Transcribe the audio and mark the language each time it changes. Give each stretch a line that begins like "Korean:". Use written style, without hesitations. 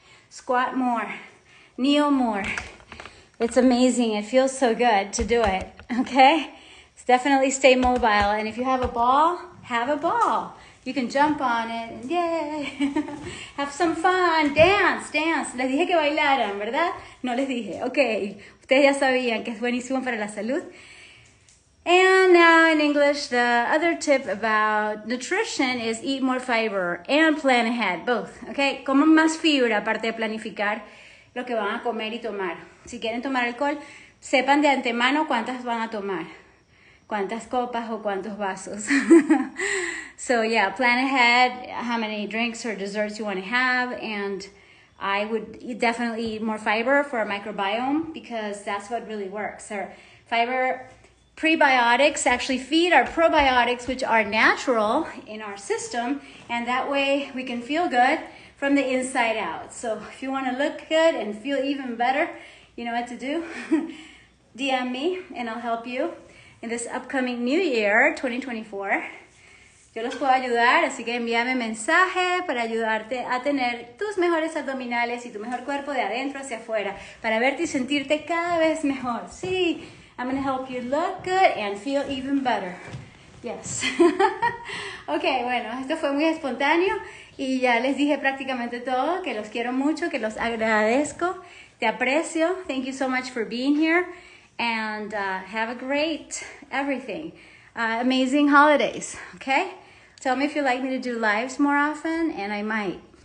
English: Squat more, kneel more. It's amazing, it feels so good to do it, okay? It's definitely stay mobile, and if you have a ball, have a ball. You can jump on it, and yay, have some fun, dance.
Spanish: Les dije que bailaran, ¿verdad? No les dije, okay. Ustedes ya sabían que es buenísimo para la salud.
English: And now in English, the other tip about nutrition is eat more fiber and plan ahead, both, okay?
Spanish: Coman más fibra, aparte de planificar lo que van a comer y tomar. Si quieren tomar alcohol, sepan de antemano cuántas van a tomar, cuántas copas o cuántos vasos.
English: So yeah, plan ahead how many drinks or desserts you want to have, and I would definitely eat more fiber for a microbiome, because that's what really works. Our fiber prebiotics actually feed our probiotics, which are natural in our system, and that way we can feel good from the inside out. So if you want to look good and feel even better, you know what to do. DM me and I'll help you in this upcoming new year, 2024.
Spanish: Yo los puedo ayudar, así que envíame mensaje para ayudarte a tener tus mejores abdominales y tu mejor cuerpo de adentro hacia afuera, para verte y sentirte cada vez mejor. Sí,
English: I'm going to help you look good and feel even better.
Spanish: Yes. Ok, bueno, esto fue muy espontáneo y ya les dije prácticamente todo, que los quiero mucho, que los agradezco, te aprecio.
English: Thank you so much for being here and have a great everything. Amazing holidays, okay? Tell me if you like me to do lives more often and I might.